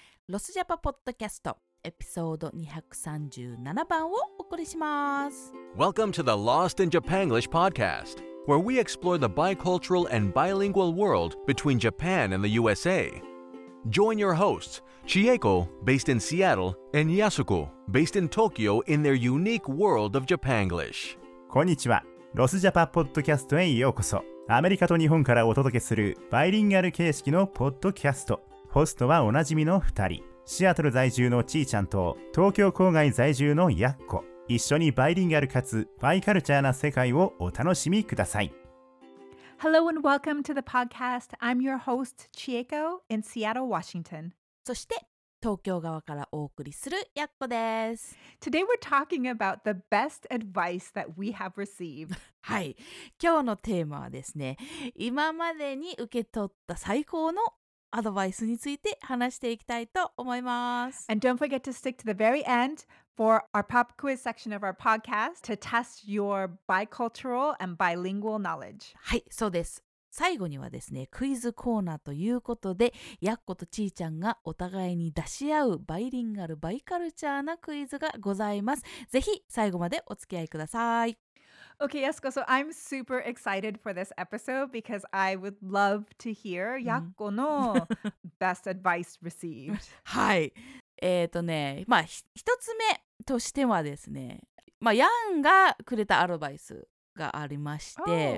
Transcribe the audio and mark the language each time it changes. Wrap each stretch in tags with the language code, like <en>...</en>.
<ja>ロスジャパポッドキャスト、エピソード237番をお送りします。</ja> <en>Welcome to the Lost in Japan English podcast, where we explore the bicultural and bilingual world between Japan and the USA. Join your hosts, Chieko, based in Seattle, and Yasuko, based in Tokyo, in their unique world of Japanglish.</en> <ja>こんにちは。ロスジャパポッドキャストへようこそ。アメリカと日本からお届けするバイリンガル形式のポッドキャスト。ホストはおなじみの2人、シアトル在住のちーちゃんと東京郊外在住のやっこ。一緒にバイリンガルかつバイカルチャーな世界をお楽しみください。</ja> <en>Hello and welcome to the podcast. I'm your host Chieko in Seattle, Washington.</en> <ja>そして東京側からお送りするやっこです。</ja> <en>Today we're talking about the best advice that we have received.</en> <ja>はい、今日のテーマはですね、今までに受け取った最高のアドバイスについて話していきたいと思います。</ja> <en>And don't forget to stick to the very end for our pop quiz section of our podcast to test your bicultural and bilingual knowledge.</en> <ja>はい、そうです。最後にはですね、クイズコーナーということで、ヤッコとちーちゃんがお互いに出し合うバイリンガル・バイカルチャーなクイズがございます。ぜひ最後までお付き合いください。</ja> <en>Okay, Yasuko, so I'm super excited for this episode because I would love to hear Yakko の best advice received.</en> <ja>はい。まあ、一つ目としてはですね、まあ、ヤンがくれたアドバイスがありまして。</ja>